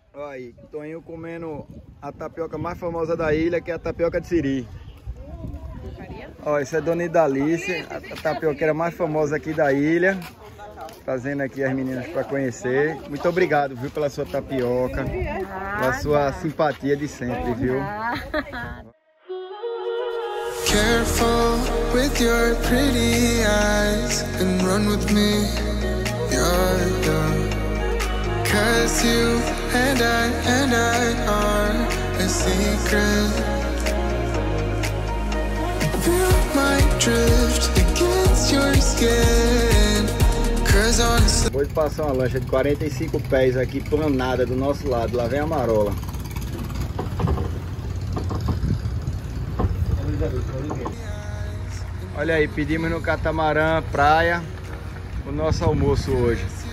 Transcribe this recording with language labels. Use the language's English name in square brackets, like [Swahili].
[Portuguese] Aí, Toninho comendo a tapioca mais famosa da ilha, que é a tapioca de siri. Ó, isso é Dona Idalice, a tapioqueira mais famosa aqui da ilha. Trazendo aqui as meninas para conhecer. Muito obrigado, viu, pela sua tapioca, pela sua simpatia de sempre, viu? [English] Careful with your pretty eyes and run with me. You're done. Cause you and I are a secret. Feel my drift against your skin. Cause honestly... [Portuguese] Vou passar uma lancha de 45 pés aqui planada do nosso lado. Lá vem a marola. Olha aí, pedimos no catamarã praia o nosso almoço hoje.